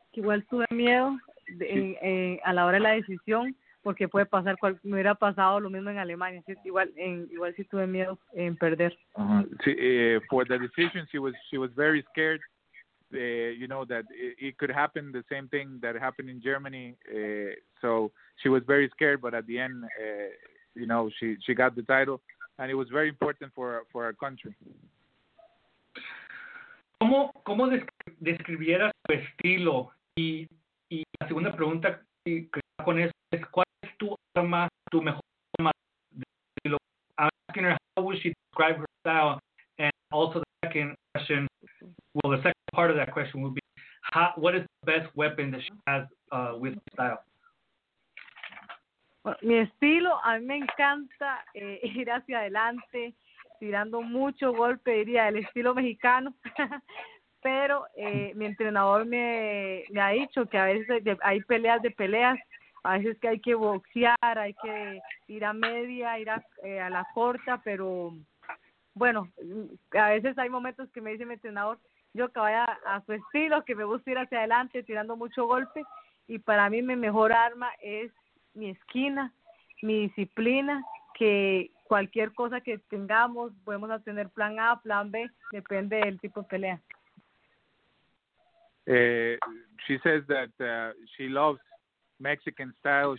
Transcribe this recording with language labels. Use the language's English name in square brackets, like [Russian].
[Spanish] Igual tuve miedo a la hora de la decisión, porque puede pasar, me hubiera pasado lo mismo en Alemania, igual si tuve miedo en perder. [English] For the decision, she was very scared, that it could happen, the same thing that happened in Germany. So she was very scared, but at the end, she got the title, and it was very important for our country. [Spanish] ¿Cómo describiera su estilo? Y la segunda pregunta que está con eso es, ¿cuál tu mejor arma? [English] I'm asking her, how would she describe her style? And also the second question, well, the second part of that question would be, what is the best weapon that she has with her style? [Spanish] Well, mi estilo, a mí me encanta ir hacia adelante, tirando mucho golpe, diría, el estilo mexicano. Pero mi entrenador me ha dicho que a veces hay peleas, a veces que hay que boxear, hay que ir a media, ir a la corta, pero bueno, a veces hay momentos que me dice mi entrenador, yo que vaya a su estilo, que me gusta ir hacia adelante tirando mucho golpe, y para mí mi mejor arma es mi esquina, mi disciplina, que cualquier cosa que tengamos, podemos tener plan A, plan B, depende del tipo de pelea. [English] She says that she loves Mexican style.